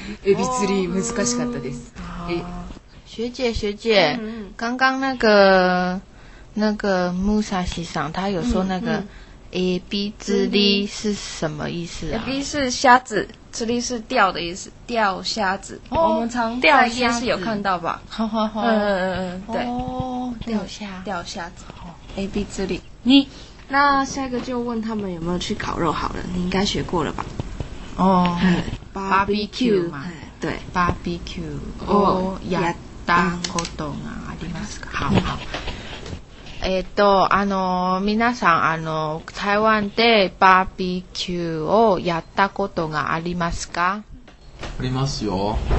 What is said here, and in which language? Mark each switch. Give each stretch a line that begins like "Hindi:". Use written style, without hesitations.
Japanese: エビ釣り難しかったです。
Chinese: 学姐、刚刚那个穆沙西桑他有说那个 AB 之力是什么意思啊？ AB 是虾子，之力是钓的意思，钓虾子。我们常钓虾是有看到吧？对，钓虾，钓虾子。AB 之力，你那下一个就问他们有没有去烤肉好了，你应该学过了吧？ Barbecue 嘛，对，Barbecue。
Japanese: 哦，やったことがありますか？
Chinese: 好。
Japanese: 皆さん、台湾でバーベキューをやったことがありますか？ありますよ。